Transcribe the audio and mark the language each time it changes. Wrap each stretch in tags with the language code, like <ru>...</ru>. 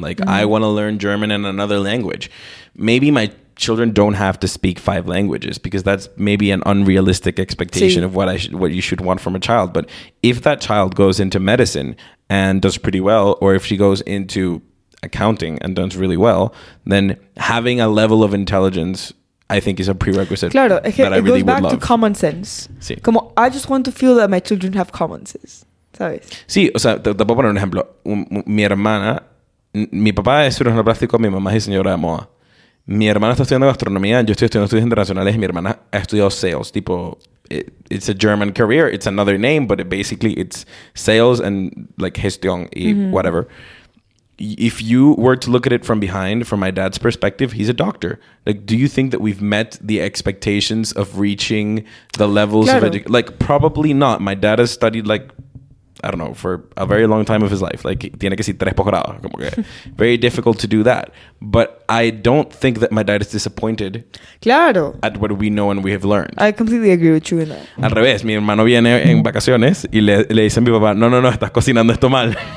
<en>Like, I want to learn German and another language. Maybe my children don't have to speak five languages because that's maybe an unrealistic expectation of what you should want from a child. But if that child goes into medicine and does pretty well, or if she goes into accounting and does really well, then having a level of intelligence I think is a prerequisite.</en> <es>Claro, es que</es> <en>that I really would love. It goes back to common sense.</en> <es>Sí.</es> <en>Como, I just want to feel that my children have common sense.</en> <es>¿Sabes? Sí, o sea, te puedo poner un ejemplo. Mi hermana, mi papá es cirujano plástico, mi mamá es diseñadora de moda. Mi hermana está estudiando gastronomía, yo estoy estudiando estudios internacionales y mi hermana ha estudiado sales.</es> <en>Tipo, it's a German career, it's another name, but it basically it's sales and like</en> <es>gestión y</es> <en>mm-hmm. whatever. If you were to look at it from behind, from my dad's perspective, he's a doctor. Like, do you think that we've met the expectations of reaching the levels</en> <es>claro.</es> <en>Of education? Like, probably not. My dad has studied, like, I don't know, for a very long time of his life.</en> <es>Like, tiene que ser tres posgrados. Como que</es> <en>very difficult to do that. But I don't think that my dad is disappointed.</en> <es>Claro.</es> <en>At what we know and we have learned. I completely agree with you in that.</en> <es>Al revés. Mi hermano viene en vacaciones y le dice a mi papá, no, no, no, estás cocinando esto mal.</es>